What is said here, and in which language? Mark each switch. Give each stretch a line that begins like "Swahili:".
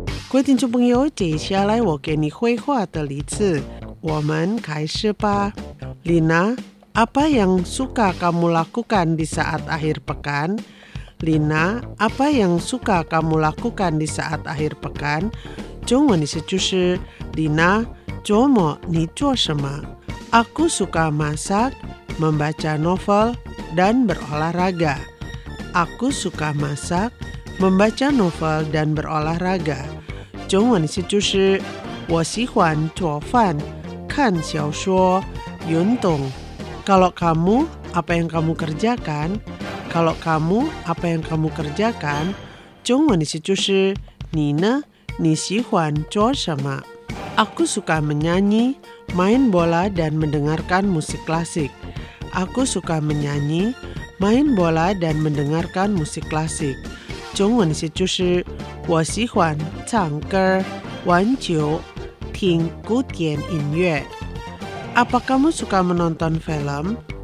Chinese: 各位听众朋友，接下来我给你绘画的例子，我们开始吧。
Indonesian: Lina apa yang suka kamu lakukan di saat akhir pekan? Lina apa yang suka kamu lakukan di saat akhir pekan?
Chinese: 中文是就是 Lina周末你做什么？
Indonesian: Aku suka masak, membaca novel, dan berolahraga. Aku suka masak, membaca novel, dan berolahraga.
Chinese: 中文是就是我喜欢做饭、看小说、运动。
Indonesian: Kalau kamu, apa yang kamu kerjakan? Kalau kamu, apa yang kamu kerjakan?
Chinese: 中文是就是你呢？你喜欢做什么？
Indonesian: Aku suka menyanyi, main bola, dan mendengarkan musik klasik. Aku suka menyanyi, main bola, dan mendengarkan musik klasik.
Chinese: 中文是就是我喜欢唱歌、玩球、听古典音乐。
Indonesian: Apa kamu suka menonton film?